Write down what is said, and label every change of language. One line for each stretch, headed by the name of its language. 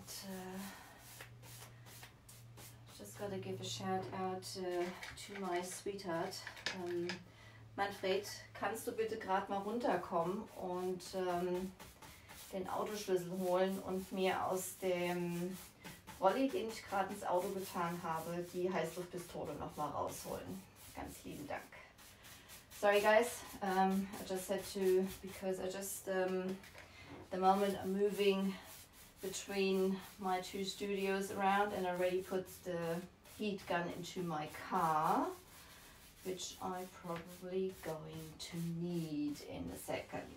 English: And just gotta give a shout out to my sweetheart,
German: Manfred, kannst du bitte gerade mal runterkommen und den Autoschlüssel holen und mir aus dem Rolli, den ich gerade ins Auto getan habe, die Heißluftpistole nochmal rausholen. Ganz lieben Dank.
English: Sorry guys, I just had to, because I just, the moment I'm moving between my two studios around and I already put the heat gun into my car, which I probably going to need in a second.